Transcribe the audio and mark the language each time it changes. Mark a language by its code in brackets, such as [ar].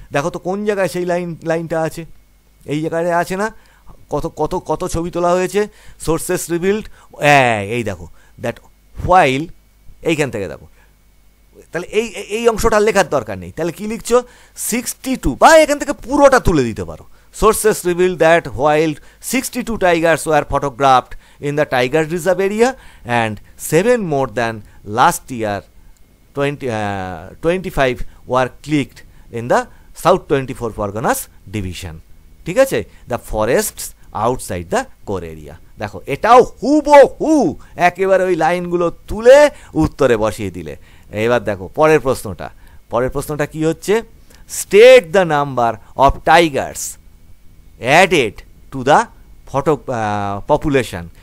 [bn] দেখো তো কোন জায়গায় সেই লাইনটা আছে, এই জায়গাতে আছে না, কত কত কত ছবি তোলা হয়েছে, [en] sources revealed, [bn] এই দেখো [en] that while, [bn] এইখান থেকে দেখো, তাহলে এই এই অংশটা লেখার দরকার নেই, তাহলে কী লিখছো, 62, বা এখান থেকে পুরোটা তুলে দিতে পারো, [en] Sources revealed that while 62 tigers were photographed in the tiger reserve area and 7 more than last year, 25 were clicked in the South 24 Parganas division. [bn] ঠিক আছে, [en] the forests outside the core area. [bn] দেখো এটাও হুবহু একেবারে ওই লাইনগুলো তুলে উত্তরে বসিয়ে দিলে। এবার দেখো পরের প্রশ্নটা, পরের প্রশ্নটা কি হচ্ছে, [en] State the number of tigers added to the photo population.